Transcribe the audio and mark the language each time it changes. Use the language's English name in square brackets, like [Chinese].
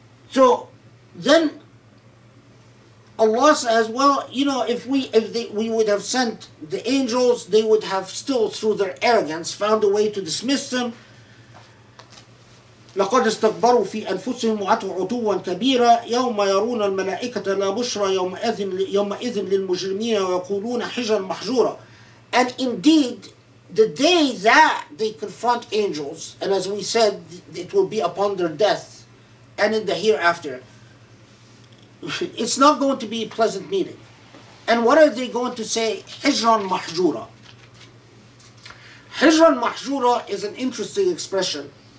[English] So then Allah says, well, you know, if we would have sent the angels, they would have still, through their arrogance, found a way to dismiss them. [Arabic] لقد استكبروا في أنفسهم وعتوا عتوا كبيرا يوم يرون الملائكة لا بشرى يومئذ للمجرمين ويقولون حجرا محجورا. [English] And indeed, the day that they confront angels, and as we said, it will be upon their death and in the hereafter, it's not going to be a pleasant meeting. And what are they going to say? Hijran mahjura. Hijran mahjura is an interesting expression.